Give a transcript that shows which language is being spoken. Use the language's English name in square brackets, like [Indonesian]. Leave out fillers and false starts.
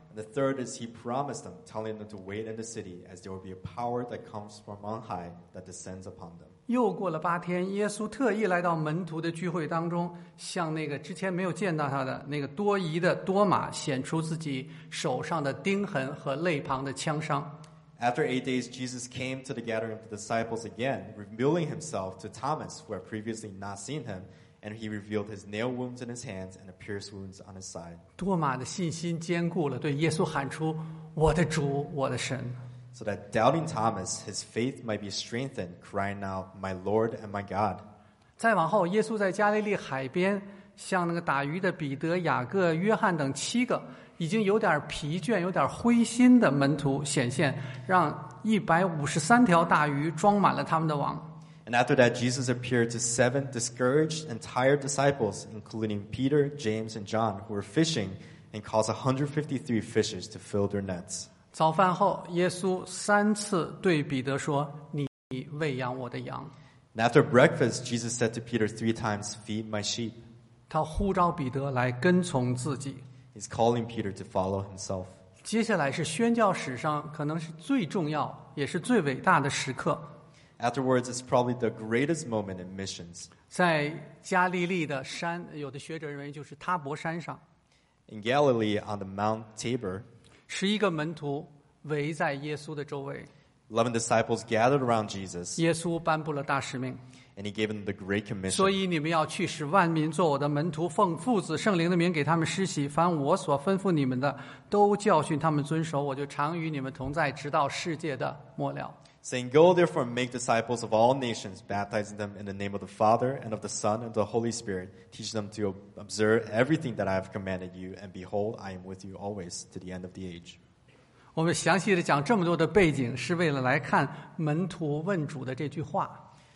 [English] And the third is he promised them, telling them to wait in the city, as there will be a power that comes from on high that descends upon them. [Chinese] 又过了八天，耶稣特意来到门徒的聚会当中，向那个之前没有见到他的那个多疑的多马显出自己手上的钉痕和肋旁的枪伤。 [English] After 8 days, Jesus came to the gathering of the disciples again, revealing himself to Thomas, who had previously not seen him, and he revealed his nail wounds in his hands and the pierced wounds on his side. [Chinese] 多马的信心坚固了，对耶稣喊出：“我的主，我的神。” [English] So that doubting Thomas, his faith might be strengthened, crying out, "My Lord and my God." [Chinese] 再往后，耶稣在加利利海边向那个打鱼的彼得、雅各、约翰等七个。已经有点疲倦有点灰心的门徒显现，让153条大鱼装满了他们的网。 [English] And after that, Jesus appeared to 7 discouraged and tired disciples, including Peter, James, and John, who were fishing, and caused 153 fishes to fill their nets. [Chinese] 早饭后，耶稣三次对彼得说，你喂养我的羊。 [English] And after breakfast, Jesus said to Peter 3 times, feed my sheep. [Chinese] 他呼召彼得来跟从自己。 [English] He's calling Peter to follow himself. [Chinese] 接下来是宣教史上可能是最重要也是最伟大的时刻。 [English] Afterwards, it's probably the greatest moment in missions. [Chinese] 在加利利的山，有的学者认为就是塔伯山上。 [English] In Galilee, on the Mount Tabor, [Chinese] 十一个门徒围在耶稣的周围。 [English] 11 disciples gathered around Jesus. [Chinese] 耶稣颁布了大使命。 [English] And he gave them the great commission. [Chinese] 所以你们要去使万民做我的门徒，奉父子圣灵的名给他们施洗，凡我所吩咐你们的，都教训他们遵守。我就常与你们同在，直到世界的末了。 [English] Saying, "Go therefore and make disciples of all nations, baptizing them in the name of the Father and of the Son and the Holy Spirit. Teach them to observe everything that I have commanded you. And behold, I am with you always, to the end of the age." [Chinese] 我们详细的讲这么多的背景，是为了来看门徒问主的这句话。